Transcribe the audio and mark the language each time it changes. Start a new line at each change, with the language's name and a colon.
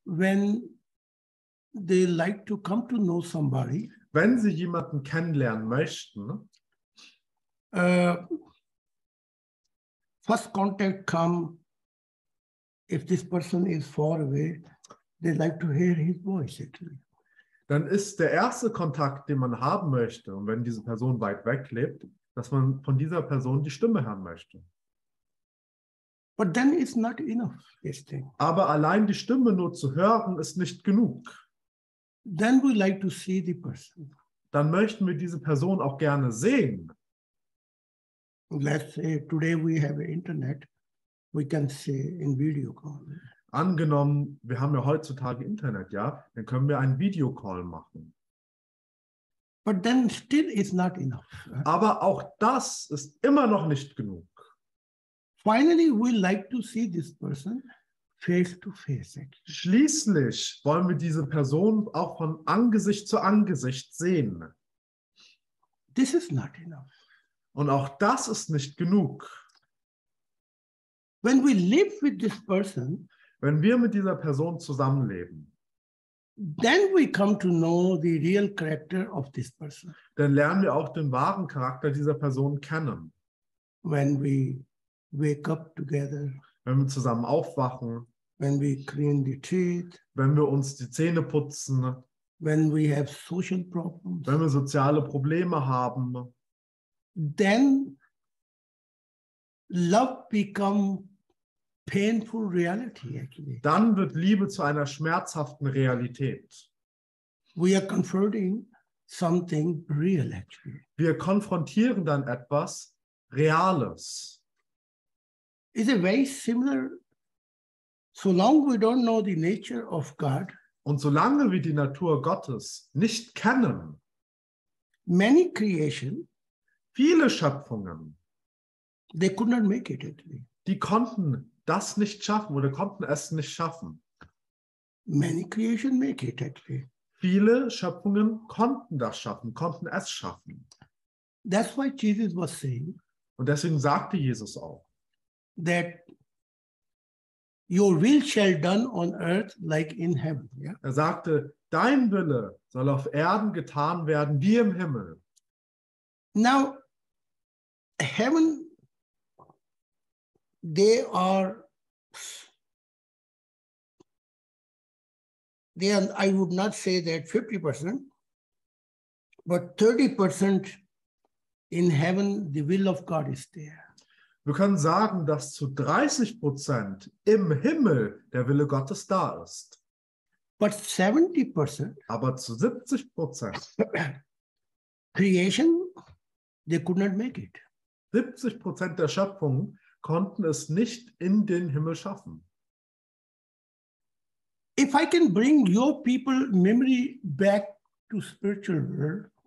English: when they like to come to know somebody,
German: wenn sie jemanden kennenlernen möchten,
English: first contact come, if this person is far away, they like to hear his voice actually.
German: Dann ist der erste Kontakt, den man haben möchte, und wenn diese Person weit weg lebt, dass man von dieser Person die Stimme hören möchte.
English: But then it's not enough, this thing.
German: Aber allein die Stimme nur zu hören, ist nicht genug.
English: Then we like to see the person.
German: Dann möchten wir diese Person auch gerne sehen.
English: Let's say today we have internet, we can see in video call.
German: Angenommen, wir haben ja heutzutage Internet, ja, dann können wir einen Videocall machen.
English: But then still it's not enough.
German: Aber auch das ist immer noch nicht genug.
English: Finally, we like to see this person face to face.
German: Schließlich wollen wir diese Person auch von Angesicht zu Angesicht sehen.
English: This is not enough.
German: Und auch das ist nicht genug.
English: When we live with this person,
German: wenn wir mit dieser Person zusammenleben,
English: then we come to know the real character of this person.
German: Dann lernen wir auch den wahren Charakter dieser Person kennen.
English: When we wake up together,
German: wenn wir zusammen aufwachen,
English: when we clean the teeth,
German: wenn wir uns die Zähne putzen,
English: when we have social problems,
German: wenn wir soziale Probleme haben,
English: then love become painful reality, actually.
German: Dann wird Liebe zu einer schmerzhaften Realität.
English: We are confronting something real, actually.
German: Wir konfrontieren dann etwas Reales.
English: It's a very similar. So long we don't know the nature of God.
German: Und solange wir die Natur Gottes nicht kennen,
English: many creation,
German: viele Schöpfungen,
English: they could not make it, actually.
German: Die konnten das nicht schaffen oder konnten es nicht schaffen.
English: Many creation make it, actually.
German: Viele Schöpfungen konnten das schaffen, konnten es schaffen.
English: That's why Jesus was saying,
German: und deswegen sagte Jesus auch,
English: that your will shall done on earth like in heaven. Yeah?
German: Er sagte, dein Wille soll auf Erden getan werden wie im Himmel.
English: Now, heaven, they are, I would not say that 50%, but 30% in heaven, the will of God is there.
German: Wir können sagen, dass zu 30% im Himmel der Wille Gottes da ist.
English: But 70%,
German: aber zu 70%
English: creation, they could not make it.
German: 70% der Schöpfung konnten es nicht in den Himmel schaffen.
English: If I can bring your people memory back to spiritual world,